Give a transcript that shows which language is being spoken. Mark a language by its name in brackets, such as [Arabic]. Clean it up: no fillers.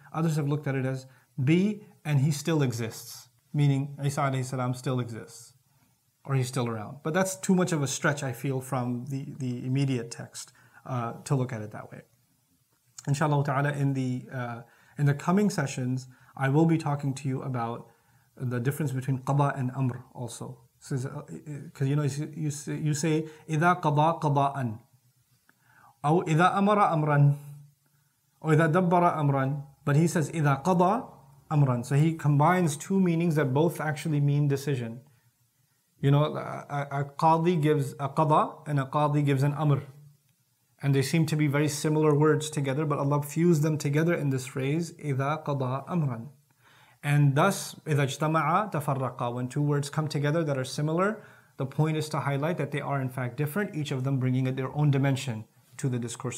[English] Others have looked at it as be and He still exists, meaning Isa alayhi salam still exists or He's still around. But that's too much of a stretch, I feel, from the immediate text to look at it that way. Inshallah ta'ala, in the coming sessions, I will be talking to you about the difference between qada and amr also. Because so, you know, you say [Arabic] إِذَا قَضَى قَضَاءً أو إِذَا أَمَرَ أَمْرًا أو إِذَا دَبَّرَ أَمْرًا, [English] but he says [Arabic] إِذَا قَضَى أَمْرًا. [English] So he combines two meanings that both actually mean decision. You know, a qadi gives a qada and a qadi gives an amr, and they seem to be very similar words together, but Allah fused them together in this phrase [Arabic] إِذَا قَضَى أَمْرًا. [English] And thus, [Arabic] إِذَا اجْتَمَعَ تَفَرَّقَ, [English] when two words come together that are similar, the point is to highlight that they are in fact different, each of them bringing their own dimension to the discourse.